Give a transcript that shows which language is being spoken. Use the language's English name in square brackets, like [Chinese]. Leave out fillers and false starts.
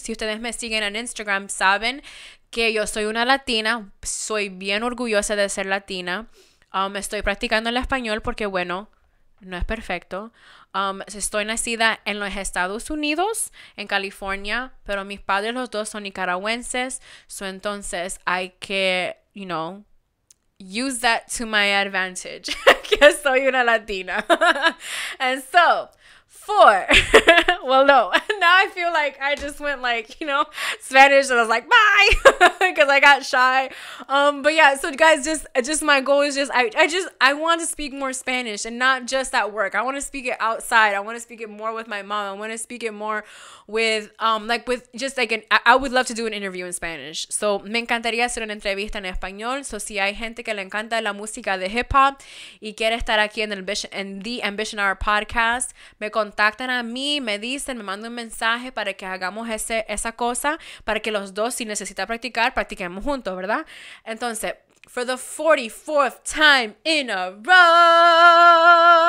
[Spanish] Si ustedes me siguen en Instagram, saben que yo soy una latina. Soy bien orgullosa de ser latina. Estoy practicando el español porque, bueno, no es perfecto. Estoy nacida en los Estados Unidos, en California, pero mis padres los dos son nicaragüenses. [English] So, [Spanish] entonces, hay que, [English] you know, use that to my advantage. [Spanish] Que soy una latina. [English] And so, now I feel like I just went like, you know, Spanish, and I was like, bye, because I got shy. But yeah, so guys, just my goal is just, I want to speak more Spanish, and not just at work. I want to speak it outside. I want to speak it more with my mom. I want to speak it more with, I would love to do an interview in Spanish. [Spanish] So, me encantaría hacer una entrevista en español. So, si hay gente que le encanta la música de hip hop y quiere estar aquí en The Ambition Hour Podcast, me contactan a mí, me dicen, me mandan un mensaje para que hagamos esa cosa, para que los dos, si necesita practicar, practiquemos juntos, ¿verdad? Entonces, [English] for the 44th time in a row.